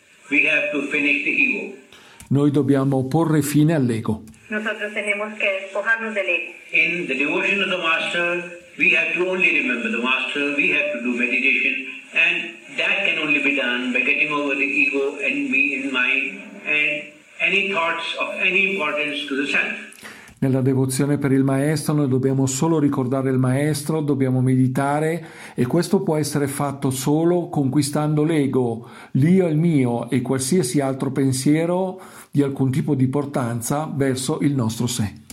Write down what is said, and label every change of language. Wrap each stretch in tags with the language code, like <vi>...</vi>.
<en>We have to finish the ego.</en> <it>Noi dobbiamo porre fine all'ego.</it> <es>Nosotros tenemos que despojarnos del ego.</es> <en>In the devotion of the Master, we have to only remember the Master, we have to do meditation, and that can only be done by getting over the ego and me in mind, and any thoughts of any importance to the self.</en> <it>Nella devozione per il Maestro noi dobbiamo solo ricordare il Maestro, dobbiamo meditare e questo può essere fatto solo conquistando l'ego, l'io e il mio e qualsiasi altro pensiero di alcun tipo di importanza verso il nostro sé.</it>